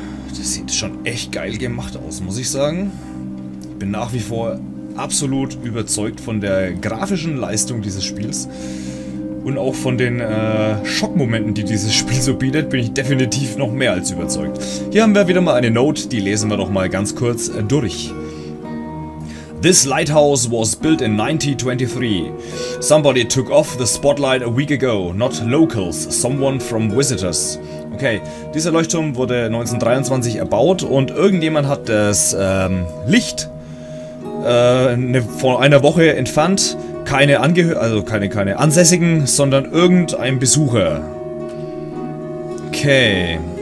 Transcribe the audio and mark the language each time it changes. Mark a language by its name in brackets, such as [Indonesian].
[German] Das sieht schon echt geil gemacht aus, muss ich sagen. Ich bin nach wie vor absolut überzeugt von der grafischen Leistung dieses Spiels und auch von den Schockmomenten, die dieses Spiel so bietet, bin ich definitiv noch mehr als überzeugt. Hier haben wir wieder mal eine Note, die lesen wir doch mal ganz kurz durch. [English] This lighthouse was built in 1923. Somebody took off the spotlight a week ago, not locals, someone from visitors. [German] Okay, dieser Leuchtturm wurde 1923 erbaut und irgendjemand hat das Licht vor einer Woche entfernt, keine Ansässigen, sondern irgendein Besucher. Okay.